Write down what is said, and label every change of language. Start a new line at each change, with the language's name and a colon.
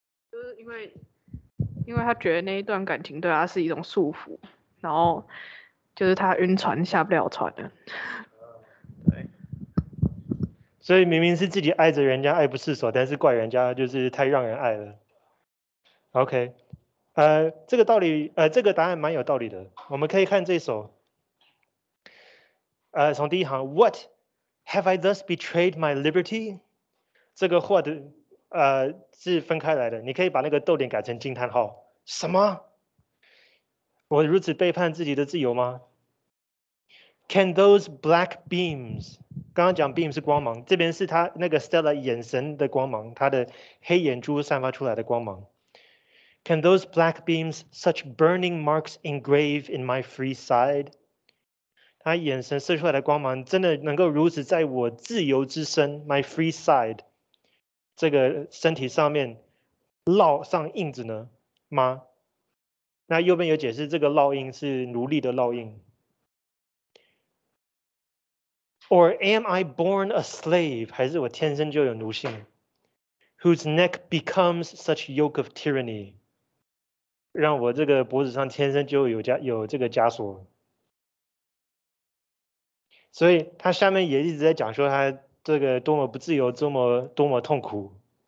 Chinese: 就是因为他觉得那一段感情对他是一种束缚，然后就是他晕船下不了船了。所以明明是自己爱着人家爱不释手，但是怪人家就是太让人爱了。OK，这个道理，这个答案蛮有道理的。我们可以看这首，从第一行 ，
English: What have I thus betrayed my liberty？
Chinese: 这个 what 的是分开来的，你可以把那个逗点改成惊叹号。什么？我如此背叛自己的自由吗 ？
English: Can those black beams？
Chinese: 刚刚讲 beam 是光芒，这边是他那个 Stella 眼神的光芒，他的黑眼珠散发出来的光芒。
English: Can those black beams such burning marks engrave in my free side?
Chinese: 他眼神射出来的光芒真的能够如此在我自由之身
English: my free side
Chinese: 这个身体上面烙上印子呢吗？那右边有解释，这个烙印是奴隶的烙印。
English: Or am I born a slave?
Chinese: 还是我天生就有奴性？
English: Whose neck becomes such yoke of tyranny?
Chinese: 让我这个脖子上天生就 有这个枷锁。所以他下面也一直在讲说他这个多么不自由，多么痛苦。